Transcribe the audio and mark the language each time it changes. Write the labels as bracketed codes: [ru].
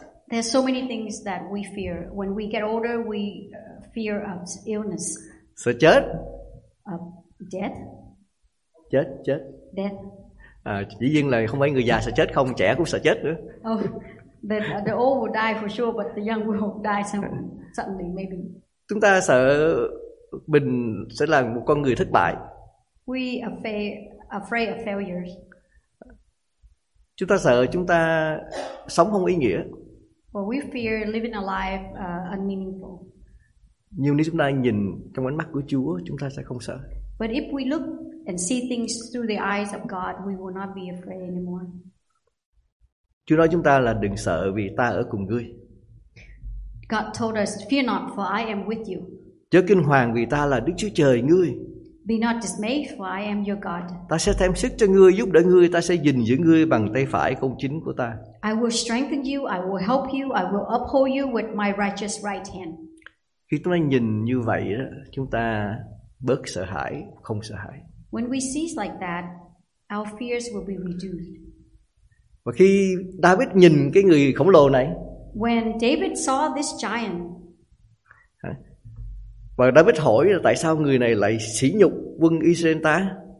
[en] There's so many things that we fear. When we get older, we fear of illness. [vi] Sợ chết. [en] Death. [vi] Chết, chết. [en] Death. [vi] Dĩ nhiên là không phải người già sợ chết không, trẻ cũng sợ chết nữa. [en] Oh, the old will die for sure, but the young will die suddenly, maybe. [vi] Chúng ta sợ mình sẽ là một con người thất bại. [en] We are afraid of failures. [vi] Chúng ta sợ chúng ta sống không ý nghĩa. [en] Well, we fear living a life unmeaningful. [vi] Nhiều nếu chúng ta nhìn trong ánh mắt của Chúa, chúng ta sẽ không sợ. [en] But if we look and see things through the eyes of God, we will not be afraid anymore. [vi] Chúa nói chúng ta là đừng sợ vì ta ở cùng ngươi. [en] God told us, fear not, for I am with you. [vi] Chớ kinh hoàng vì ta là Đức Chúa Trời ngươi. [en] Be not dismayed, for I am your God. [vi] Ta sẽ thêm sức cho ngươi, giúp đỡ ngươi, ta sẽ gìn giữ ngươi bằng tay phải công chính của ta. [en] I will strengthen you, I will help you, I will uphold you with my righteous right hand. [vi] Khi chúng ta nhìn như vậy đó, chúng ta bớt sợ hãi, không sợ hãi. [en] When we see like that, our fears will be reduced. [vi] Và khi David nhìn cái người khổng lồ này, [en] when David saw this giant, [vi] và David hỏi là tại sao người này lại sỉ nhục quân Israel ta?